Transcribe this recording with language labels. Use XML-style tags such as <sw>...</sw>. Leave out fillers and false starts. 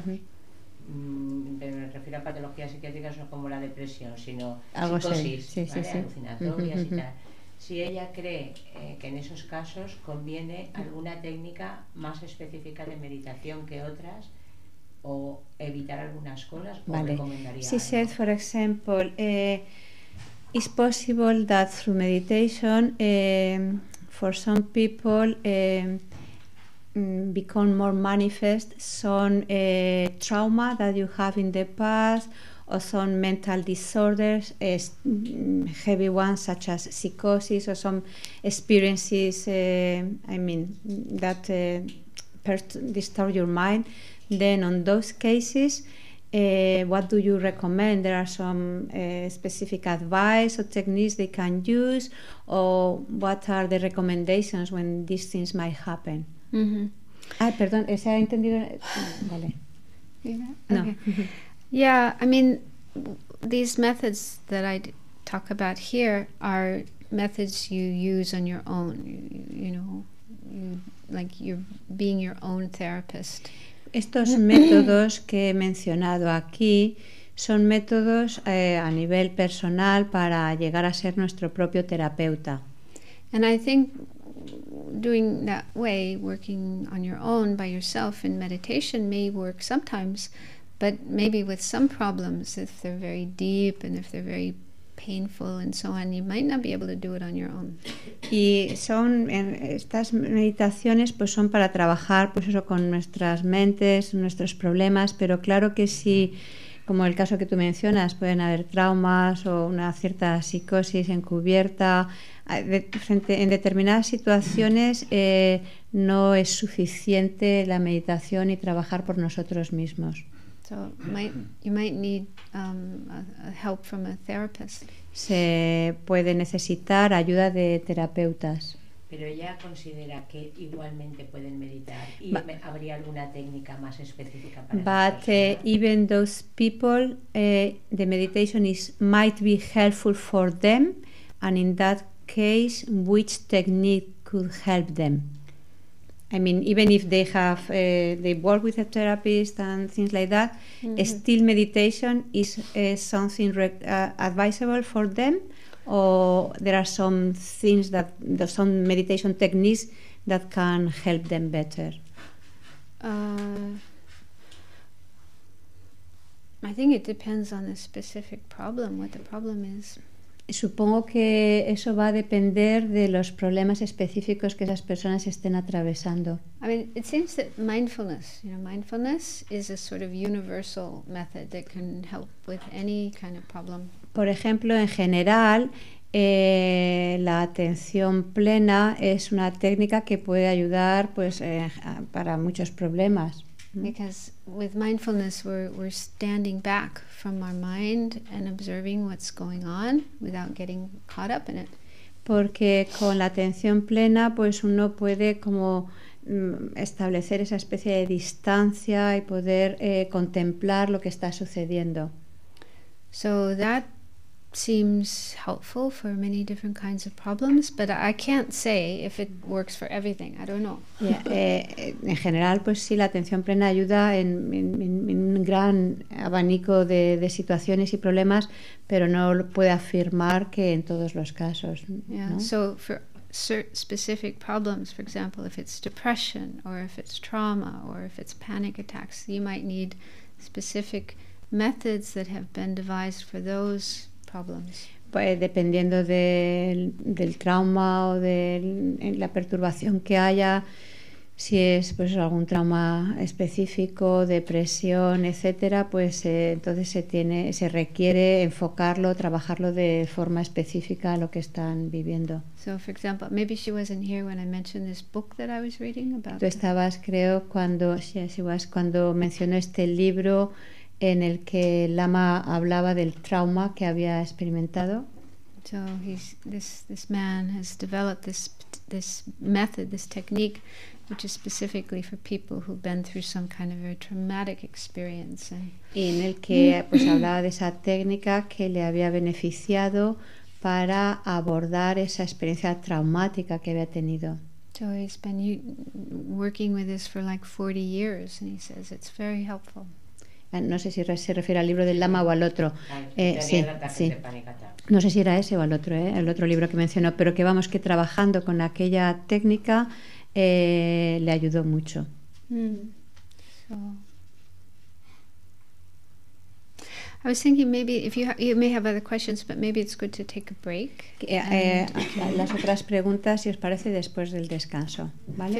<es>Pero me refiero a patologías psiquiátricas no como la depresión, sino algo psicosis, sí, ¿vale? Sí, alucinatorias y tal. si ella cree que en esos casos conviene alguna técnica más específica de meditación que otras, o evitar algunas cosas, vale. O recomendaría.</es> <en>She said, for example, it's possible that through meditation, for some people, become more manifest some trauma that you have in the past, or some mental disorders, heavy ones such as psychosis, or some experiences, that disturb your mind. Then on those cases, what do you recommend? There are some specific advice or techniques they can use, or what are the recommendations when these things might happen? Mm-hmm.</en> <es>Ah, perdón, ¿se ha entendido? Vale.</es> <en>Yeah, no. Okay. Yeah, I mean, these methods that I talk about here are methods you use on your own, like you're being your own therapist.</en> <es>Estos métodos que he mencionado aquí son métodos a nivel personal para llegar a ser nuestro propio terapeuta.</es> <en>And I think doing that way, working on your own by yourself in meditation, may work sometimes, but maybe with some problems, if they're very deep and if they're very painful and so on, you might not be able to do it on your own.</en> <es>Y son estas meditaciones, pues son para trabajar, pues eso, con nuestras mentes, nuestros problemas. Pero claro que sí, como el caso que tú mencionas, pueden haber traumas o una cierta psicosis encubierta. En determinadas situaciones no es suficiente la meditación y trabajar por nosotros mismos.</es> <en>So you might need a help from a therapist.</en> <es>Se puede necesitar ayuda de terapeutas. Pero ella considera que igualmente pueden meditar y habría alguna técnica más específica para.</es> <en>But even those people, the meditation might be helpful for them, and in that case, which technique could help them? I mean, even if they have they work with a therapist and things like that, mm-hmm. still meditation is something advisable for them. Or there are some things that there's some meditation techniques that can help them better. I think it depends on the specific problem, what the problem is.</en> <es>Supongo que eso va a depender de los problemas específicos que esas personas estén atravesando.</es> <en>I mean, it seems that mindfulness is a sort of universal method that can help with any kind of problem.</en> <es>Por ejemplo, en general, la atención plena es una técnica que puede ayudar, pues, para muchos problemas.</es> <en>Because with mindfulness, we're standing back from our mind and observing what's going on without getting caught up in it.</en> <es>Porque con la atención plena, pues, uno puede como establecer esa especie de distancia y poder contemplar lo que está sucediendo.</es> <en>So that seems helpful for many different kinds of problems, but I can't say if it works for everything. I don't know.</en> <es>Yeah, en general, pues sí, la atención plena ayuda en un gran abanico de situaciones y problemas, pero no lo puede afirmar que en todos los casos.</es> <en>Yeah.</en> <es>¿No?</es> <en>So for certain specific problems, for example, if it's depression or if it's trauma or if it's panic attacks, you might need specific methods that have been devised for those.</en> <es>Pues dependiendo del trauma o de la perturbación que haya, si es pues algún trauma específico, depresión, etcétera, pues entonces se requiere enfocarlo, trabajarlo de forma específica a lo que están viviendo.</es> <en>So for example, maybe she wasn't here when I mentioned this book that I was reading about.</en> <es>Tú estabas, creo, cuando mencionó este libro en el que Lama hablaba del trauma que había experimentado.</es> <en>So this man has developed this method, this technique, which is specifically for people who've been through some kind of a traumatic experience.</en> <es>Y en el que pues hablaba de esa técnica que le había beneficiado para abordar esa experiencia traumática que había tenido.</es> <en>So he's been working with this for like 40 years, and he says it's very helpful.</en> <es>no sé si se refiere al libro del Lama o al otro. Sí. No sé si era ese o al otro, el otro libro que mencionó, pero que vamos, que trabajando con aquella técnica le ayudó mucho.</es> <en>I was thinking maybe if you you may have other questions, but maybe it's good to take a break.</en> <es>Las otras preguntas, si os parece, después del descanso, ¿vale?</es>